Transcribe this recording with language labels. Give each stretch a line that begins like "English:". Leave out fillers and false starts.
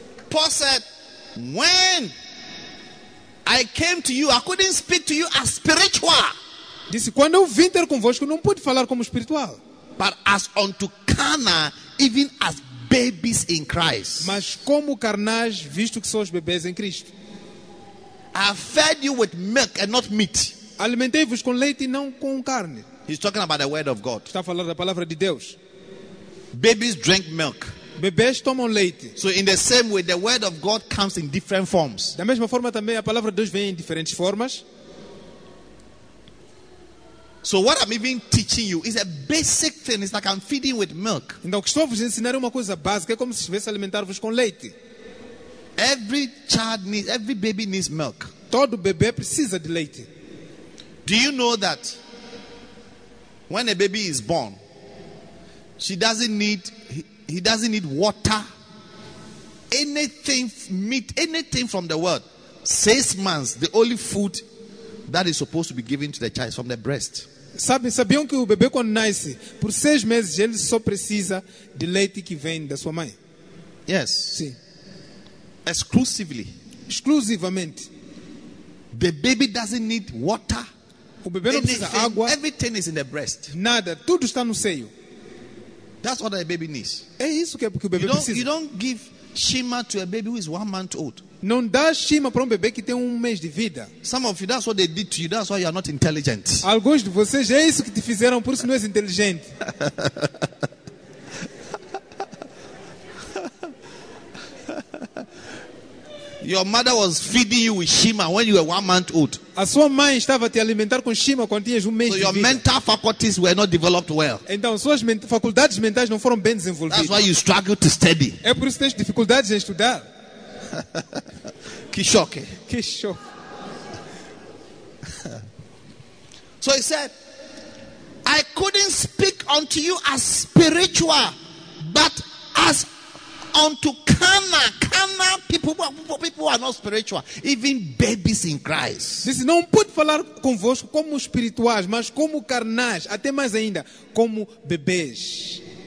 English: Paul said, when I came to you, I couldn't speak to you as spiritual.
Portuguese: Disse, quando eu vim ter convosco, não pude falar como espiritual.
English: But as unto carnal, even as babies in Christ.
Portuguese: Mas como carnais, visto que são os bebês em Cristo.
English: I fed you with milk and not meat.
Portuguese: Alimentei-vos com leite e não com carne.
English: He's talking about the word of God.
Portuguese: Está falando da palavra de Deus.
English: Babies drink milk.
Portuguese: Bebês tomam leite.
English: So in the same way, the word of God comes in different forms.
Portuguese: Da mesma forma também a palavra de Deus vem em diferentes formas.
English: So what I'm even teaching you is a basic thing. It's like I'm feeding with milk.
Portuguese: Então o que estou a vos ensinar é uma coisa básica, é como se estivesse a alimentar-vos com leite.
English: Every child needs, every baby needs milk.
Portuguese: Todo bebê precisa de leite.
English: Do you know that when a baby is born, she doesn't need He doesn't need water, anything, meat, anything from the world. 6 months, the only food that is supposed to be given to the child is from the breast.
Portuguese: Sabiam que o bebê quando nasce, por 6 meses, ele só precisa de leite que vem da sua mãe?
English: Yes.
Portuguese: Sim.
English: Exclusively.
Portuguese: Exclusivamente.
English: The baby doesn't need water.
Portuguese: O bebê não
English: anything,
Portuguese: precisa água.
English: Everything is in the breast.
Portuguese: Nada, tudo está no seio.
English: That's what a baby needs.
Portuguese: É isso que o bebê precisa.
English: You don't give shima to a baby who is 1 month old.
Portuguese: Não dá shima para bebê que tem 1 mês de vida.
English: Some of you, that's what they did to you. That's why you are not intelligent.
Portuguese: Alguns de vocês é isso que te fizeram, por isso não és inteligente.
English: Your mother was feeding you with shima when you were 1 month old.
Portuguese: A sua mãe estava te alimentar com shima quando tinhas 1 mês
English: so
Portuguese: de
English: your
Portuguese: vida.
English: Your mental faculties were not developed well.
Portuguese: Então suas faculdades mentais não foram bem desenvolvidas.
English: That's why you struggle to study.
Portuguese: É por isso que tens dificuldades em estudar. Que choque. Que choque.
English: So he said, I couldn't speak unto you as spiritual, but as unto carnal. Carnal people are not spiritual, even babies in Christ.
Portuguese: Disse, não pude falar convosco como espirituais, mas como carnais, até mais ainda, como bebês.